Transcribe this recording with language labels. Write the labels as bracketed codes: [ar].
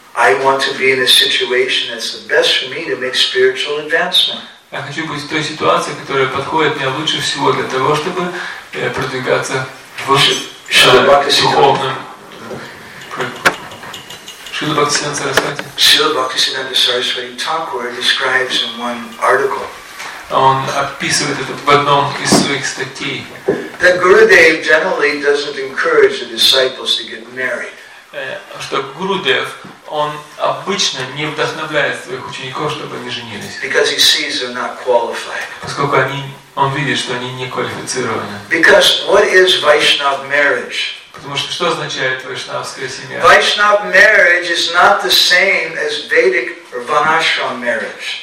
[ru] Я хочу быть в той ситуации, которая подходит мне лучше всего для того, чтобы продвигаться в духовном. Шрила Бхактисиддханта Сарасвати. [en] Шрила Бхактисиддханта Сарасвати Такур describes in one article. [ru] Он описывает это в одном из своих статей. [en] That Gurudev generally doesn't encourage the disciples to get married. [ru] Что Гурудев, он обычно не вдохновляет своих учеников, чтобы они женились. [en] Because he sees they're not qualified. [ru] Поскольку он видит, что они не квалифицированы. [en] Because what is Vaishnav marriage? [ru] Потому что что означает вайшнавская семья? [en] Vaishnav marriage is not the same as Vedic or Vanashram marriage.